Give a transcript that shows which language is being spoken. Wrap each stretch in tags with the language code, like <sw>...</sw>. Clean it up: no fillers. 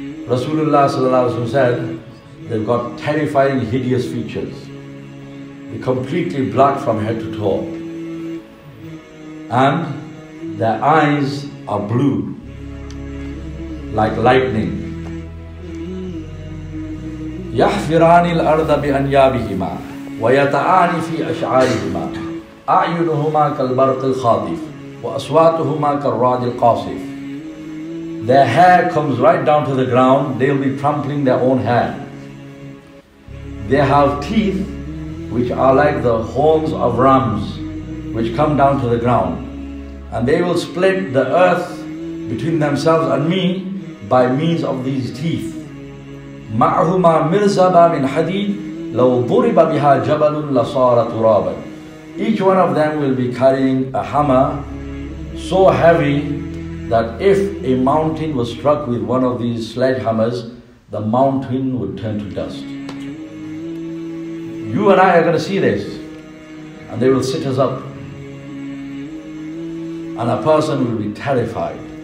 <en>Rasulullah sallallahu alaihi wasallam said, they've got terrifying, hideous features. They're completely black from head to toe. And their eyes are blue, like lightning.</en> <ar>يحفران الأرض بأنيابهما ويتعان في أشعارهما أعينهما كالبرق الخاطف وأصواتهما كالرعد القاصف.</ar> <en>Their hair comes right down to the ground. They'll be trampling their own hair. They have teeth which are like the horns of rams which come down to the ground. And they will split the earth between themselves and me by means of these teeth.</en> <ar>معهما مرزبا من حديد لو ضرب بها جبل لصار ترابا.</ar> <en>Each one of them will be carrying a hammer so heavy that if a mountain was struck with one of these sledgehammers, the mountain would turn to dust. You and I are going to see this, and they will sit us up, and a person will be terrified.</en>